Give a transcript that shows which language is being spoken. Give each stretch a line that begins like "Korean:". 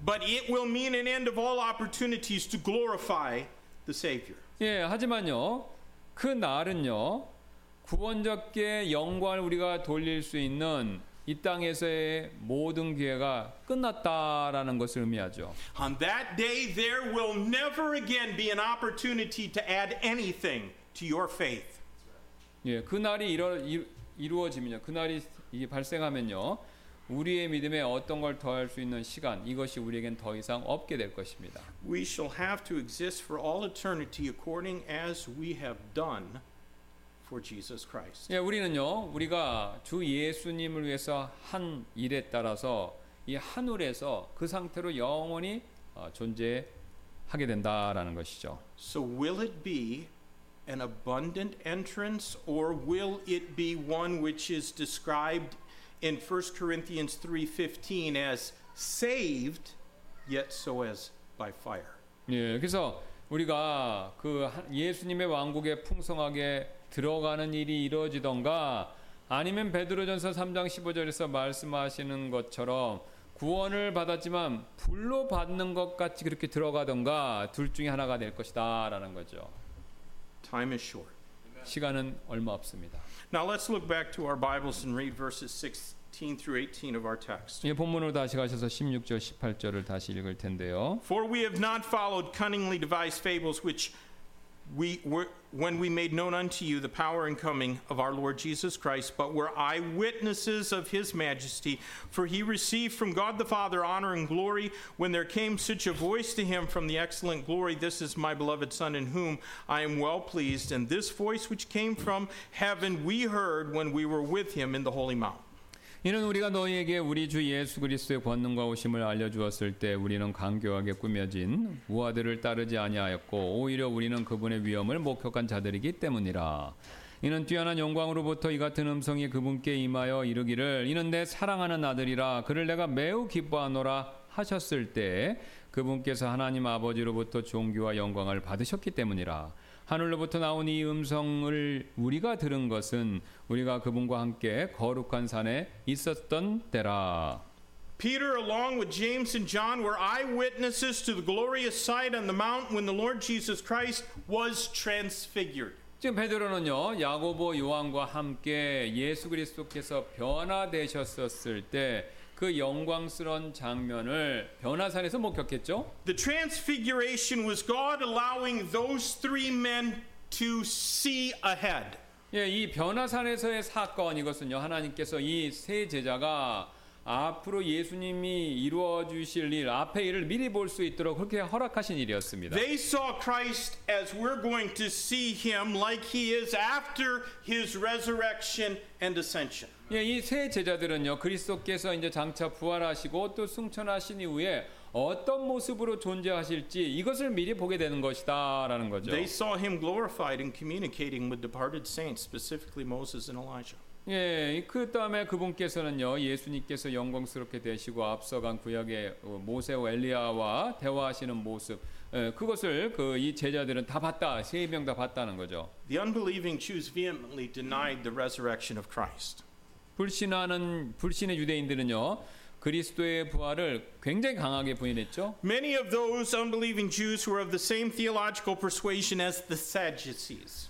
English: But it will mean an end of all opportunities to glorify the Savior.
Korean: 예, 하지만요, 그 날은요, 구원자께 영광을 우리가 돌릴 수 있는 이 땅에서의 모든 기회가 끝났다라는 것을 의미하죠.
English: On that day, there will never again be an opportunity to add anything to your faith.
Korean: 예, 그 날이 이루어지면요, 그 날이 이게 발생하면요, 우리의 믿음에 어떤 걸 더할 수 있는 시간 이것이 우리에겐 더 이상 없게 될 것입니다.
English: We shall have to exist for all eternity according as we have done. For Jesus Christ.
Korean: 예, 우리는요, 우리가 주 예수님을 위해서 한 일에 따라서 이 하늘에서 그 상태로 영원히 존재하게 된다라는 것이죠.
English: So will it be an abundant entrance, or will it be one which is described in 1 Corinthians 3:15 as saved, yet so as by fire?
Korean: 예, 그래서 우리가 그 예수님의 왕국에 풍성하게 들어가는 일이 이루어지던가 아니면 베드로전서 3장 15절에서 말씀하시는 것처럼 구원을 받았지만 불로 받는 것 같이 그렇게 들어가던가 둘 중에 하나가 될 것이다 라는 거죠.
English: Time is short.
Korean: 시간은 얼마 없습니다.
English: Now let's look back to our Bibles and read verses 16 through 18 of our text.
Korean: 예, 본문으로 다시 가셔서 16절 18절을 다시 읽을 텐데요.
English: For we have not followed cunningly devised fables which when we made known unto you the power and coming of our Lord Jesus Christ, but were eyewitnesses of his majesty, for he received from God the Father honor and glory when there came such a voice to him from the excellent glory, this is my beloved Son in whom I am well pleased, and this voice which came from heaven we heard when we were with him in the holy mount.
Korean: 이는 우리가 너희에게 우리 주 예수 그리스도의 권능과 오심을 알려주었을 때 우리는 강교하게 꾸며진 우아들을 따르지 아니하였고 오히려 우리는 그분의 위엄을 목격한 자들이기 때문이라. 이는 뛰어난 영광으로부터 이 같은 음성이 그분께 임하여 이르기를 이는 내 사랑하는 아들이라 그를 내가 매우 기뻐하노라 하셨을 때 그분께서 하나님 아버지로부터 존귀와 영광을 받으셨기 때문이라. 하늘로부터 나온 이 음성을 우리가 들은 것은 우리가 그분과 함께 거룩한 산에 있었던 때라.
English: Peter along with James and John were eyewitnesses to the glorious sight on the mount when the Lord Jesus Christ was transfigured.
Korean: 지금 베드로는요, 야고보 요한과 함께 예수 그리스도께서 변화되셨었을 때 그 영광스러운 장면을 변화산에서 목격했죠.
English: The transfiguration was God allowing those three men to see ahead.
Korean: 예, 이 변화산에서의 사건 이것은요 하나님께서 이 세 제자가 앞으로 예수님이 이루어 주실 일 앞에 일을 미리 볼 수 있도록 그렇게 허락하신 일이었습니다.
English: They saw Christ as we're going to see him like he is after his resurrection and ascension.
Korean: 예, 이 세 제자들은요 그리스도께서 이제 장차 부활하시고 또 승천하신 이후에 어떤 모습으로 존재하실지 이것을 미리 보게 되는 것이다라는 거죠.
English: They saw him glorified and communicating with departed saints, specifically Moses and Elijah.
Korean: 예, 그 다음에 그분께서는요 예수님께서 영광스럽게 되시고 앞서간 구약의 모세와 엘리야와 대화하시는 모습 예, 그것을 그 이 제자들은 다 봤다 세 명 다 봤다는 거죠.
English: The unbelieving Jews vehemently denied the resurrection of Christ.
Korean: 불신하는 불신의 유대인들은요 그리스도의 부활을 굉장히 강하게 부인했죠.
English: Many of those unbelieving Jews were of the same theological persuasion as the Sadducees.